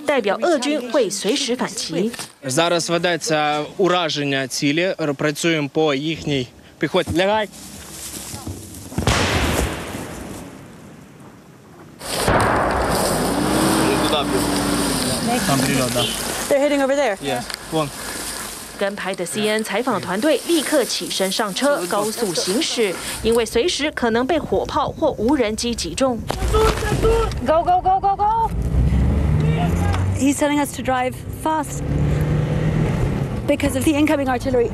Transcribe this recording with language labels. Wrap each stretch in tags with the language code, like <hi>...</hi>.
<zh>这种二十世纪的火炮移动缓慢，但用二十一世纪的技术很容易被发现。俄乌双方的侦察和攻击无人机都在附近上空飞。经无人机侦察，瞄准的第三发终于击中敌军建筑，里面有俄罗斯步兵和炮兵，代表俄军会随时反击。</zh> <uk>Зараз ведеться ураження цілі, працюємо по їхній піхоті. Лягай.</uk> <zh>跟拍的 CN 采访团队立刻起身上车，高速行驶，因为随时可能被火炮或无人机击中。</zh> <en>Go go go go go! He's telling us to drive fast because of the incoming artillery.</en>